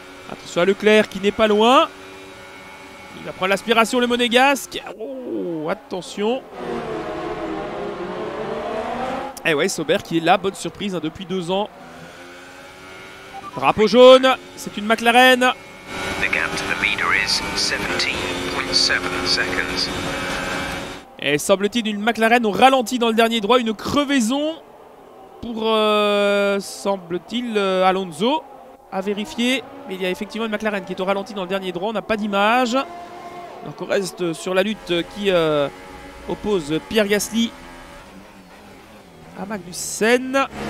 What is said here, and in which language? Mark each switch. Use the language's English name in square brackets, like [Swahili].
[French] Attention à Leclerc qui n'est pas loin. Il va prendre l'aspiration le Monégasque. Oh, attention. Et ouais, Sauber qui est la bonne surprise hein, depuis 2 ans. Drapeau jaune, c'est une McLaren. [English] The gap to the leader is 17.7 seconds. [French] Et semble-t-il une McLaren au ralenti dans le dernier droit. Une crevaison pour, semble-t-il, Alonso à vérifier. Mais il y a effectivement une McLaren qui est au ralenti dans le dernier droit. On n'a pas d'image. Donc on reste sur la lutte qui oppose Pierre Gasly à Magnussen.